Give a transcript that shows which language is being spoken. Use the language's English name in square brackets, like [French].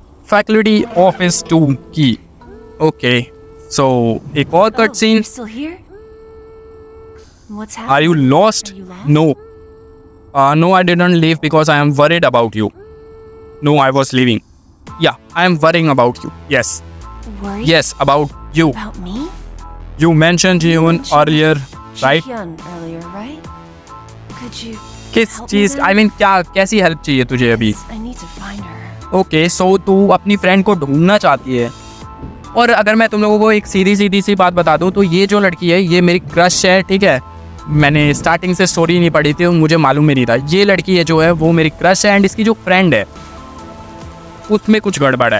[Hindi] Faculty office to की। Okay, सो एक और cut scene. [English] Are you lost? No no I didn't leave because I am worried about you. No I was leaving, yeah I am worrying about you. Yes yes about you. You mentioned Jihyun earlier, right? Could you [Hindi] किस चीज, I mean क्या कैसी help चाहिए तुझे अभी? Okay, सो तू अपनी फ्रेंड को ढूंढना चाहती है। और अगर मैं तुम लोगों को एक सीधी सीधी सी बात बता दूँ तो ये जो लड़की है ये मेरी क्रश है। ठीक है, मैंने स्टार्टिंग से स्टोरी नहीं पढ़ी थी, मुझे मालूम ही नहीं था ये लड़की है जो है वो मेरी क्रश है एंड इसकी जो फ्रेंड है उसमें कुछ गड़बड़ है।